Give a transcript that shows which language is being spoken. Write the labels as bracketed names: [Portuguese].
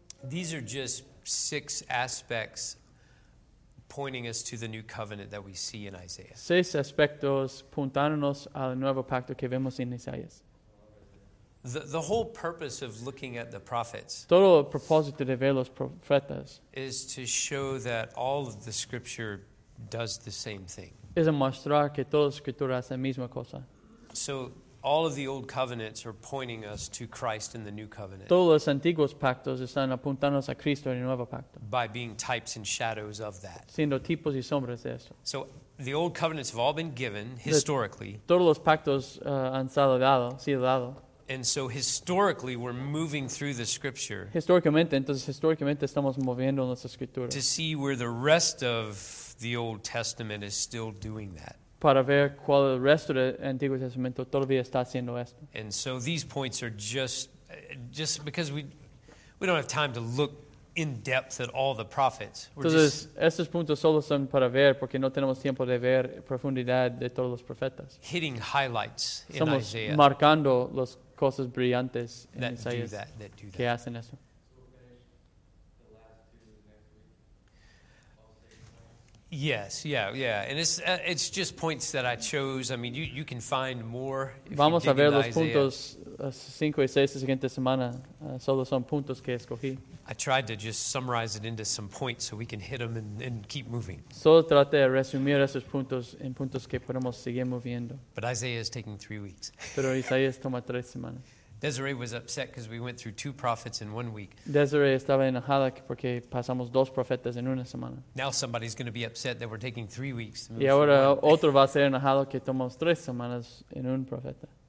[English] These are just 6 aspects pointing us to the new covenant that we see in Isaiah. [Spanish] 6 aspectos puntándonos al nuevo pacto que vemos en Isaías. [English] The whole purpose of looking at the prophets, [Spanish] todo el propósito de ver los profetas, [English] is to show that all of the scripture does the same thing. [Spanish] Es mostrar que toda la escritura hace la misma cosa. [English] So all of the old covenants are pointing us to Christ in the new covenant. [Spanish] Todos los antiguos pactos están apuntando a Cristo en el nuevo pacto. [English] By being types and shadows of that. [Spanish] Siendo tipos y sombras de esto. [English] So the old covenants have all been given historically. [Spanish] Todos los pactos han sido dados. [English] And so historically, we're moving through the scripture. [Spanish] Historicamente estamos moviendo en las escrituras. [English] To see where the rest of the Old Testament is still doing that. [Spanish] Para ver cuál el resto del Antiguo Testamento todavía está haciendo esto. [English] And so these points are just because we don't have time to look in depth at all the prophets. [Spanish] Estos puntos solo son para ver porque no tenemos tiempo de ver profundidad de todos los profetas. [English] Hitting highlights in [Spanish] Somos [English] Isaiah. [Spanish] Estamos marcando las cosas brillantes en [English] that [Spanish] Isaías [English] do that do that. [Spanish] Que hacen eso. [English] Yes, yeah. And it's just points that I chose. I mean, you can find more if [Spanish] Vamos [English] you dig [Spanish] a ver los [English] Isaiah. [Spanish] Puntos 5 y 6 de la siguiente semana. Solo son puntos que escogí. [English] I tried to just summarize it into some points so we can hit them and keep moving. [Spanish] Solo traté de resumir esos puntos en puntos que podemos seguir moviendo. [English] But Isaiah is taking 3 weeks. [Spanish] Pero Isaías toma 3 semanas. [English] Desiree was upset because we went through 2 prophets in 1 week. [Spanish] Desiree estaba enojada porque pasamos 2 profetas en una semana. [English] Now somebody's going to be upset that we're taking 3 weeks. [Spanish] Y ahora otro va a ser enojado que tomamos 3 semanas en un profeta.